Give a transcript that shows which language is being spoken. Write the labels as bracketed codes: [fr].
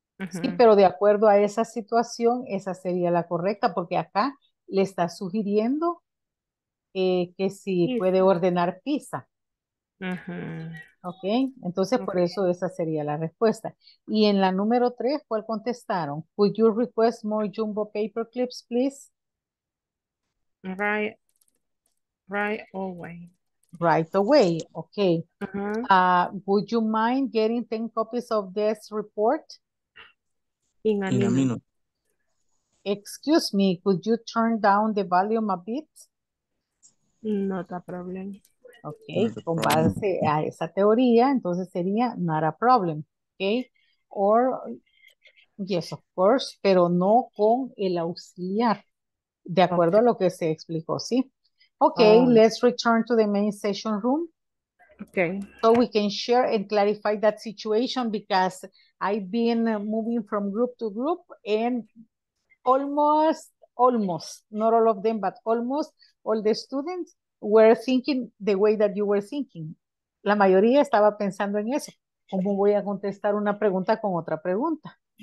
[es] Sí, pero de acuerdo a esa situación, esa sería la correcta, porque acá le está sugiriendo que si puede ordenar pizza. Ok, entonces por eso esa sería la respuesta. Y en la número 3, ¿cuál contestaron? [en] Could you request more jumbo paper clips, please? Right away. Right away, ok. Would you mind getting 10 copies of this report? In a minute. Excuse me, could you turn down the volume a bit? Not a problem. [es] Ok, con base a esa teoría, entonces sería [en] not a problem, [es] ok. [en] Or, yes, of course, [es] pero no con el auxiliar, de acuerdo a lo que se explicó, ¿sí? [en] Ok, let's return to the main session room. Okay. So we can share and clarify that situation because I've been moving from group to group and almost, not all of them, but almost all the students were thinking the way that you were thinking. [es] La mayoría estaba pensando en eso. ¿Cómo voy a contestar una pregunta con otra pregunta?